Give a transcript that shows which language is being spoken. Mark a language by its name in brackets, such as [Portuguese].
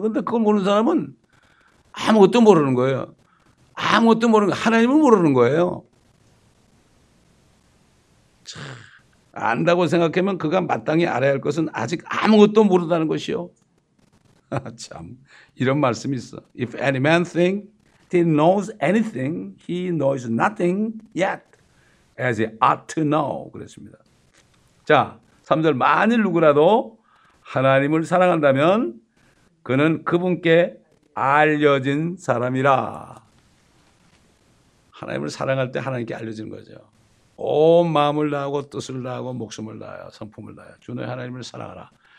[Korean] 그런데 그걸 모르는 사람은 아무것도 모르는 거예요. 아무것도 모르는 거예요. 하나님은 모르는 거예요. 안다고 생각하면 그가 마땅히 알아야 할 것은 아직 아무것도 모르다는 것이요. 참 이런 말씀이 있어. [English] If any man think he knows anything, he knows nothing yet as he ought to know. [Korean] 그랬습니다. 자, 3절 만일 누구라도 하나님을 사랑한다면 그는 그분께 알려진 사람이라. 하나님을 사랑할 때 하나님께 알려지는 거죠. 온 마음을 다하고 뜻을 다하고 목숨을 다하여 성품을 다하여 주 너의 하나님을 사랑하라.